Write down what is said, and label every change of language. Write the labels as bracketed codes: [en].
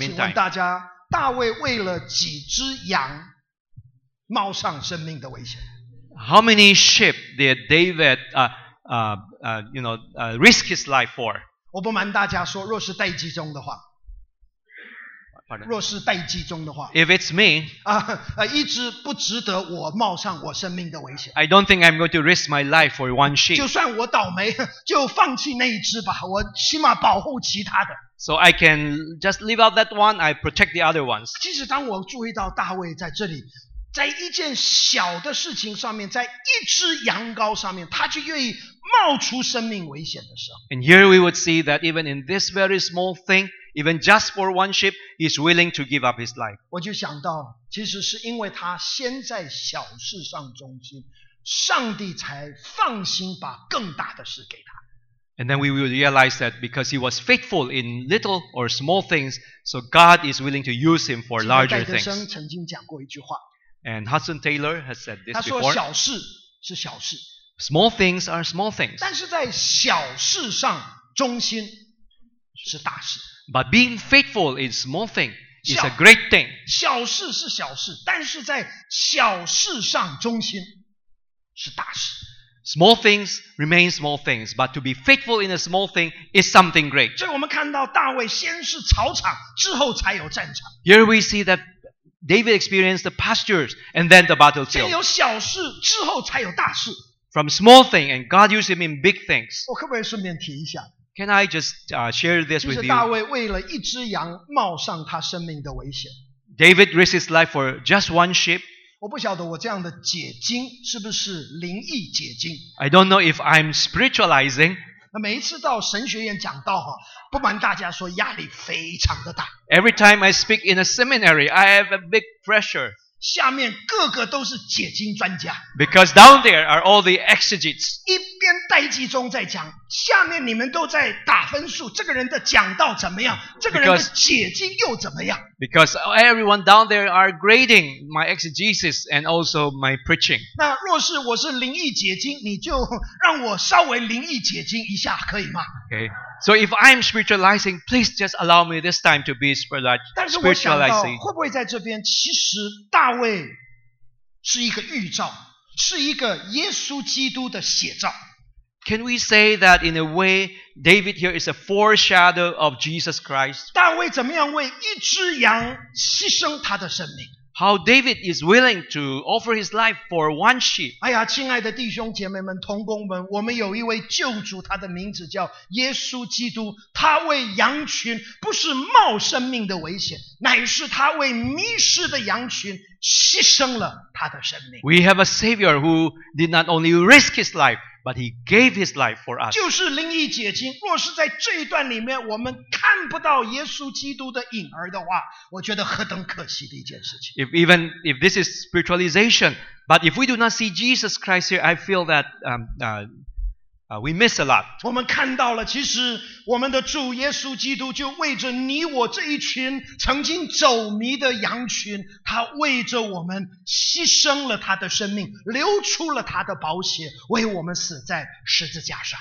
[zh] 我请问大家，大卫为了几只羊，冒上生命的危险？ [en] How many sheep did David, risk his life for? [zh] 我不瞒大家说，若是待机中的话。若是待机中的话 [en] ，If it's me， [zh] 一只不值得我冒上我生命的危险。 [en] I don't think I'm going to risk my life for one sheep。 [zh] 就算我倒霉，就放弃那一只吧，我起码保护其他的。 [en] So I can just leave out that one. I protect the other ones。 [zh] 其实当我注意到大卫在这里，在一件小的事情上面，在一只羊羔上面，他就愿意冒出生命危险的时候。 [en] And here we would see that even in this very small thing。 Even just for one sheep, he's willing to give up his life. [zh] 我就想到，其实是因为他先在小事上忠心，上帝才放心把更大的事给他。 [en] And then we will realize that because he was faithful in little or small things, so God is willing to use him for larger things. [zh] 戴德生曾经讲过一句话。 [en] And Hudson Taylor has said this before. [zh] 他说小事是小事。 [en] Small things are small things. [zh] 但是在小事上忠心是大事。 [en] But being faithful is small thing. It's a great thing. [zh] 小事是小事，但是在小事上忠心是大事。 [en] Small things remain small things, but to be faithful in a small thing is something great. [zh] 所以我们看到大卫先是草场，之后才有战场。 [en] Here we see that David experienced the pastures and then the battlefield. [zh] 先有小事，之后才有大事。 [en] From small thing and God used him in big things. [zh] 我可不可以顺便提一下？ [en] Can I just share this with you? [zh] 其实大卫为了一只羊冒上他生命的危险。 [en] David risked his life for just one sheep. [zh] 我不晓得我这样的解经是不是灵异解经。 [en] I don't know if I'm spiritualizing. [zh] 那每一次到神学院讲道，不瞒大家说，压力非常的大。 [en] Every time I speak in a seminary, I have a big pressure. [zh] 下面个个都是解经专家。 [en] Because down there are all the exegetes. [zh] 待机中在讲，下面你们都在打分数，这个人的讲道怎么样，这个人的解经又怎么样。 [en] Because everyone down there are grading my exegesis and also my preaching. [zh] 那若是我是灵异解经，你就让我稍微灵异解经一下，可以吗？ [en] Okay. So if I'm spiritualizing, please just allow me this time to be spiritualizing. [zh] 但是我想到，会不会在这边，其实大卫是一个预兆，是一个耶稣基督的写照。 [en] Can we say that in a way, David here is a foreshadow of Jesus Christ? [zh] 大卫怎么样为一只羊牺牲他的生命？ [en] How David is willing to offer his life for one sheep? [zh] 哎呀，亲爱的弟兄姐妹们，同工们，我们有一位救主，他的名字叫耶稣基督。他为羊群不是冒生命的危险，乃是他为迷失的羊群牺牲了他的生命。 [en] We have a Savior who did not only risk his life,But he gave his life for us. [zh] 就是灵异解经。若是在这一段里面我们看不到耶稣基督的影儿的话，我觉得何等可惜的一件事情。 [en] If even if this is spiritualization, but if we do not see Jesus Christ here, I feel that we miss a lot. [zh] 我们看到了，其实我们的主耶稣基督就为着你我这一群曾经走迷的羊群，他为着我们牺牲了他的生命，流出了他的宝血，为我们死在十字架上。